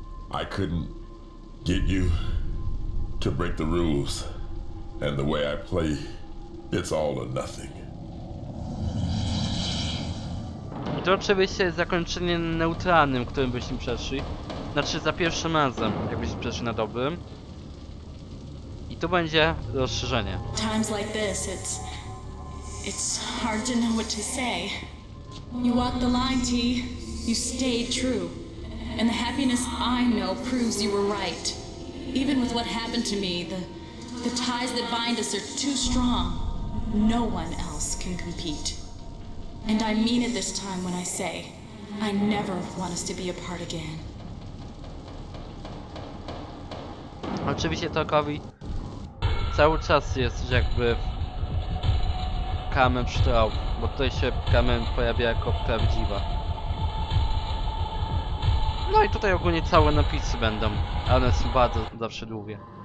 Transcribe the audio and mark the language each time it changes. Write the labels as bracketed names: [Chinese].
[English] I couldn't get you to break the rules, and the way I play, it's all or nothing. [Polish] I to oczywiście jest zakończenie neutralnym, którym byśmy przeszli. Znaczy za pierwszym razem, jakbyśmy przeszli na dobrym. I to będzie rozszerzenie. [English] Times like this, it's hard to know what to say. You walked the line, T. You stayed true. And the happiness I know proves you were right. Even with what happened to me, the ties that bind us are too strong. No one else can compete. And I mean it this time when I say, I never want us to be apart again. [Polish] Oczywiście Tokowi cały czas jest jakby Kamen Straub, bo tutaj się Kamen pojawia jako prawdziwa. No i tutaj ogólnie całe napisy będą, one są bardzo zawsze długie.